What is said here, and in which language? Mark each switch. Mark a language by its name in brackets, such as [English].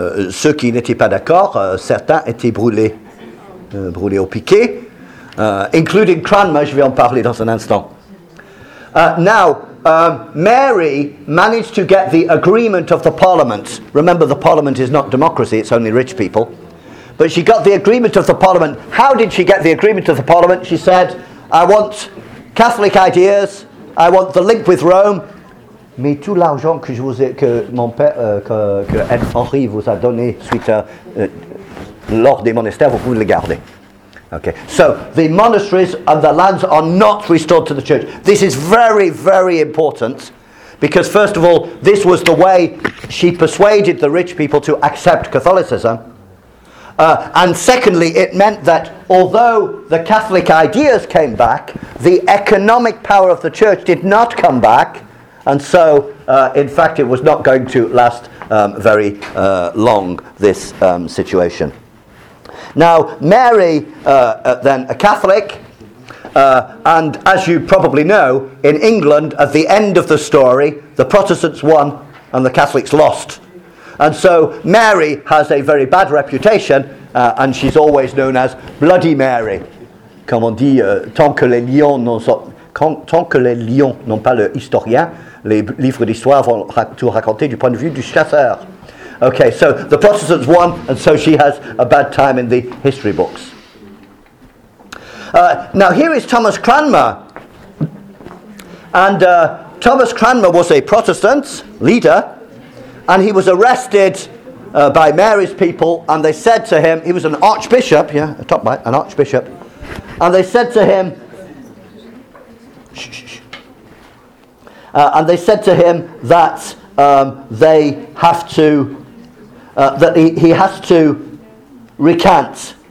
[French] ceux qui n'étaient pas d'accord, certains étaient brûlés au piqué, [English] including Cranmer, [French] je vais en parler dans un instant. [English] Mary managed to get the agreement of the Parliament. Remember, the Parliament is not democracy, it's only rich people. but she got the agreement of the Parliament. How did she get the agreement of the Parliament? She said, I want Catholic ideas, I want the link with Rome. [French] Mais tout l'argent que je vous ai, que mon père, que Henri vous a donné suite à l'ordre des monastères, vous pouvez le garder. [English] Okay. So the monasteries and the lands are not restored to the church. This is very, very important because, first of all, this was the way she persuaded the rich people to accept Catholicism. And secondly, it meant that although the Catholic ideas came back, the economic power of the church did not come back. And so, in fact, it was not going to last very long, this situation. Now, Mary, then a Catholic, and as you probably know, in England, at the end of the story, the Protestants won and the Catholics lost. And so Mary has a very bad reputation, and she's always known as Bloody Mary. [French] Comme on dit, tant que les lions n'ont, tant que les lions n'ont pas le historien, les livres d'histoire vont tout raconter du point de vue du chasseur. [English] Okay, so the Protestants won, and so she has a bad time in the history books. Now, here is Thomas Cranmer. And Thomas Cranmer was a Protestant leader, and he was arrested by Mary's people, and they said to him, he was an archbishop, yeah, a top right, an archbishop, and they said to him, and they said to him that they have to, that he has to recant.